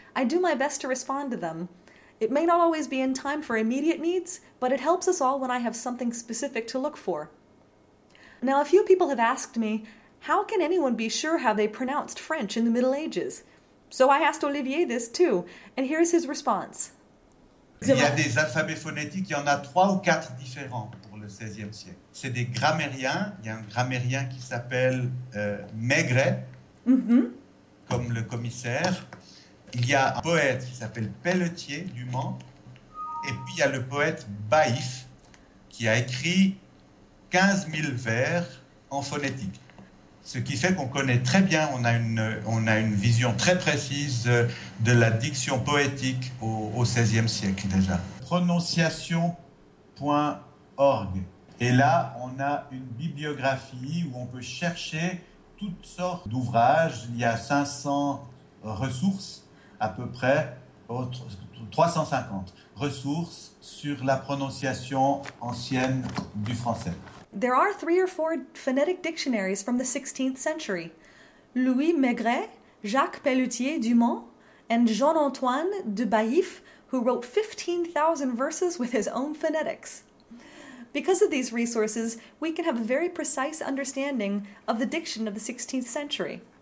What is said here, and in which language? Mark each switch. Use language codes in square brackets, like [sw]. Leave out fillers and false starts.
[en] I do my best to respond to them. It may not always be in time for immediate needs, but it helps us all when I have something specific to look for. Now, a few people have asked me, how can anyone be sure how they pronounced French in the Middle Ages? So I asked Olivier this too, and here's his response. [fr] Il y a des alphabets phonétiques, il y en a trois ou quatre différents pour le XVIe siècle. C'est des grammairiens, il y a un grammairien qui s'appelle Maigret, comme le commissaire. Il y a un poète qui s'appelle Pelletier du Mans, et puis il y a le poète Baïf, qui a écrit 15 000 vers en phonétique. Ce qui fait qu'on connaît très bien, on a une vision très précise de la diction poétique au XVIe siècle déjà. Prononciation.org. Et là, on a une bibliographie où on peut chercher toutes sortes d'ouvrages. Il y a 500 ressources, à peu près, 350 ressources sur la prononciation ancienne du français. [en] There are three or four phonetic dictionaries from the 16th century. Louis Maigret, Jacques Pelletier du Mans, and Jean-Antoine de Baïf, who wrote 15,000 verses with his own phonetics. Because of these resources, we can have a very precise understanding of the diction of the 16th century.